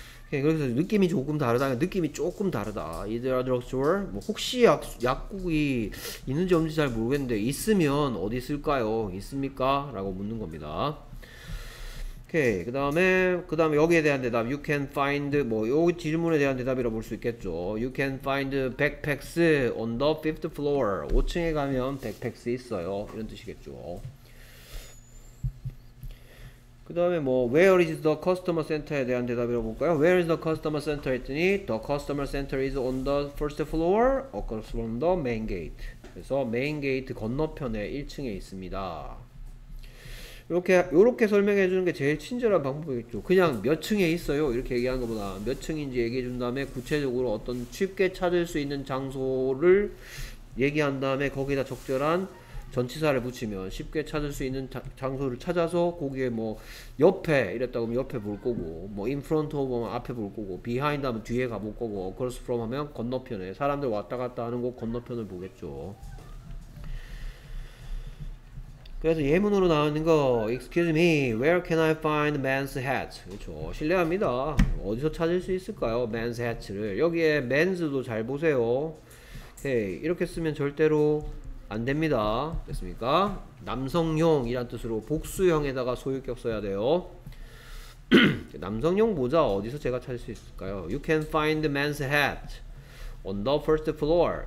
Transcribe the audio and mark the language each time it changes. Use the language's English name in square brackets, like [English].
[Korean] 그래서 느낌이 조금 다르다. 느낌이 조금 다르다. [English] Is there a drugstore? [Korean] 뭐 혹시 약국이 있는지 없는지 잘 모르겠는데 있으면 어디 있을까요? 있습니까? 라고 묻는 겁니다. 오케이. 그 다음에 여기에 대한 대답. [English] You can find, [Korean] 뭐 여기 질문에 대한 대답이라고 볼 수 있겠죠. [English] You can find backpacks on the fifth floor. [Korean] 5층에 가면 backpacks 있어요. 이런 뜻이겠죠. 그 다음에 뭐 [English] Where is the customer center [Korean] 에 대한 대답이라고 볼까요? [English] Where is the customer center 했더니 The customer center is on the first floor across from the main gate. [Korean] 그래서 main gate 건너편에 1층에 있습니다. 이렇게 설명해 주는 게 제일 친절한 방법이겠죠. 그냥 몇 층에 있어요 이렇게 얘기하는 것보다 몇 층인지 얘기해 준 다음에 구체적으로 어떤 쉽게 찾을 수 있는 장소를 얘기한 다음에 거기다 적절한 전치사를 붙이면 쉽게 찾을 수 있는 장소를 찾아서 거기에 뭐 옆에 이랬다 그러면 옆에 볼 거고 뭐 in front of 하면 앞에 볼 거고 behind 하면 뒤에 가볼 거고 across from 하면 건너편에 사람들 왔다 갔다 하는 곳 건너편을 보겠죠. 그래서 예문으로 나오는 거 [English] Excuse me, where can I find man's hat? [Korean] 그렇죠. 실례합니다. 어디서 찾을 수 있을까요? man's hat를 여기에 man's도 잘 보세요. 오케이. 이렇게 쓰면 절대로 안 됩니다. 됐습니까? 남성용이란 뜻으로 복수형에다가 소유격 써야 돼요. 남성용 모자 어디서 제가 찾을 수 있을까요? [English] You can find man's hat on the first floor.